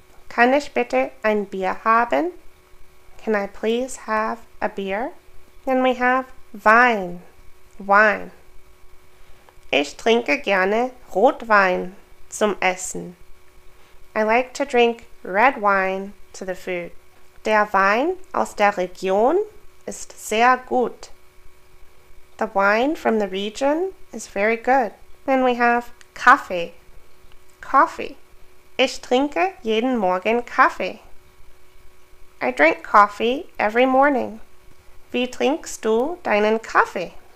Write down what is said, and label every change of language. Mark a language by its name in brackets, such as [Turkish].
[German] Kann ich bitte ein Bier haben? [English] Can I please have a beer? Then we have [German] Wein, wine. Ich trinke gerne Rotwein zum Essen. [English] I like to drink red wine to the food. [German] Der Wein aus der Region ist sehr gut. [English] The wine from the region is very good. Then we have Kaffee. Coffee. [German] Ich trinke jeden Morgen Kaffee. [English] I drink coffee every morning. [German] Wie trinkst du deinen Kaffee?